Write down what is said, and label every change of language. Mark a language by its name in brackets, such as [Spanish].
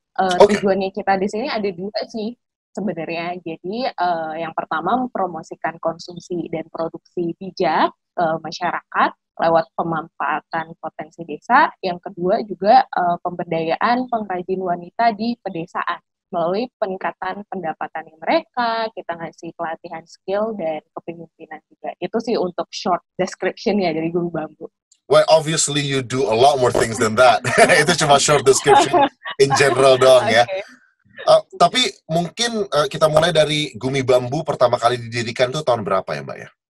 [Indonesian] Tujuannya kita di sini ada dua sih. Sebenarnya, jadi yang pertama mempromosikan konsumsi dan produksi bijak ke masyarakat lewat pemanfaatan potensi desa. Yang kedua juga pemberdayaan pengrajin wanita di pedesaan melalui peningkatan pendapatan mereka, kita ngasih pelatihan skill dan kepemimpinan juga. Itu sih untuk short description ya dari Gumi Bambu. [English] Well, obviously you do a lot more things than that. [Indonesian] Itu cuma short description in general doang ya. Okay. Tapi mungkin kita mulai dari Gumi Bambu pertama kali didirikan itu tahun berapa ya Mbak ya?